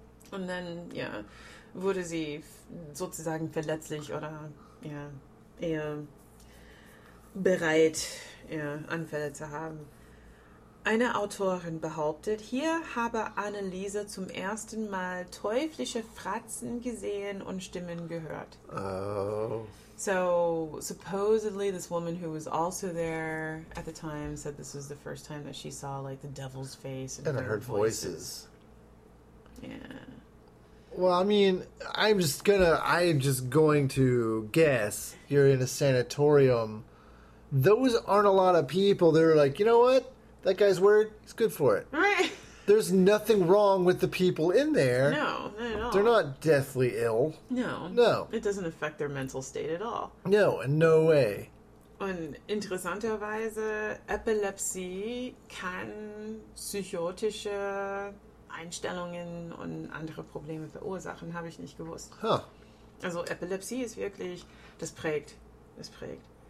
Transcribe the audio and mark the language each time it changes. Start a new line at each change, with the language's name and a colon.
German: Und dann, wurde sie sozusagen verletzlich oder eher bereit, Anfälle zu haben. Eine Autorin behauptet, hier habe Anneliese zum ersten Mal teuflische Fratzen gesehen und Stimmen gehört. Oh.
English: So, supposedly, this woman who was also there at the time said this was the first time that she saw, like, the devil's face and heard voices. Yeah. Well, I mean, I'm just going to guess you're in a sanatorium. Those aren't a lot of people. They're like, you know what? That guy's word, he's good for it. Right. There's nothing wrong with the people in there. No, not at all. They're not deathly ill. No. No. It doesn't affect their mental state at all. No, in no way.
German: Und interessanterweise, Epilepsie kann psychotische Einstellungen und andere Probleme verursachen, habe ich nicht gewusst. Huh. Also Epilepsie ist wirklich, das prägt, das prägt.